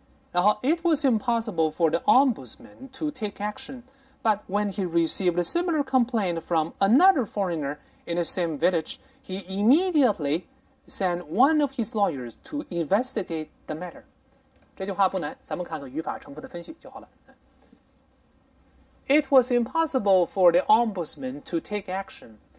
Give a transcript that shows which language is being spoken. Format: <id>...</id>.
<zh>然后</zh> <en>，It was impossible for the ombudsman to take action, but when he received a similar complaint from another foreigner in the same village, he immediately sent one of his lawyers to investigate the matter.</en> <zh>这句话不难，咱们看看语法成分的分析就好了。</zh> <en>It was impossible for the ombudsman to take action.</en>